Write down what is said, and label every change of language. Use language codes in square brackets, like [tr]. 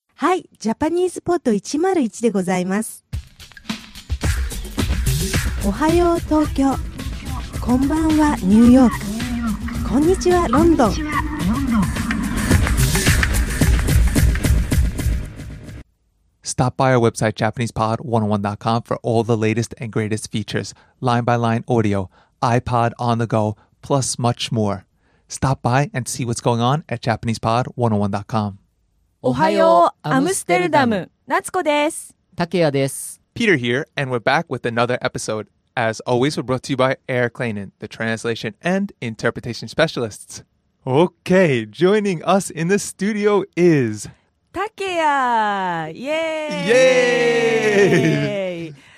[ja] はい、ジャパニーズポート101でございます。おはよう東京、こんばんはニューヨーク、こんにちはロンドン。 [en] Stop by our website JapanesePod101.com for all the latest and greatest features, line-by-line audio, iPod on the go, plus much more. Stop by and see what's going on at JapanesePod101.com. [ja] おはよう、アムステルダム。夏子です。竹谷です。 [en] Peter here, and we're back with another episode. As always, we're brought to you by Air Kleinen, the translation and interpretation specialists. Okay, joining us in the studio is... [ja] タケヤ、イエーイ、イエーイ。